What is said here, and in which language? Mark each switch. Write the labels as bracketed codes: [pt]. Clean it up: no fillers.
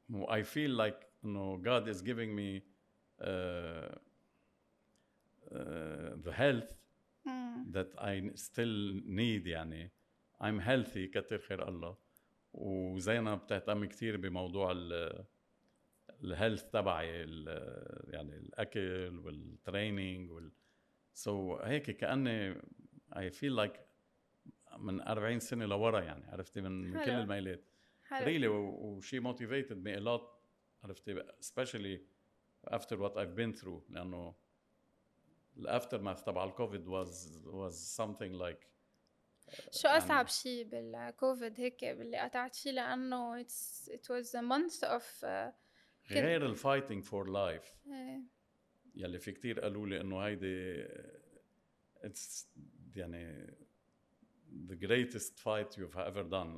[en] I feel like you know God is giving me the health that I still need. [ar] يعني [en] I'm healthy [ar] كتر خير الله. وزينا بتهتم كتير بموضوع ال health تبعي، يعني الأكل والtraining so هيك كأني [en] I feel like [ar] من 40 سنة لورا يعني، عرفتي، من حلو. كل الميلات [en] really she motivated me a lot, عرفتي، especially after what I've been through. لأنه the aftermath [ar] تبع الكوفيد [en] was something like [ar] شو أصعب شيء بالكوفيد هيك اللي قطعت فيه، لأنه it was a month of [en] غير fighting for life. [ar] يلي في كتير قالوا لي إنه هيدي it's يعني [en] the greatest fight you've ever done.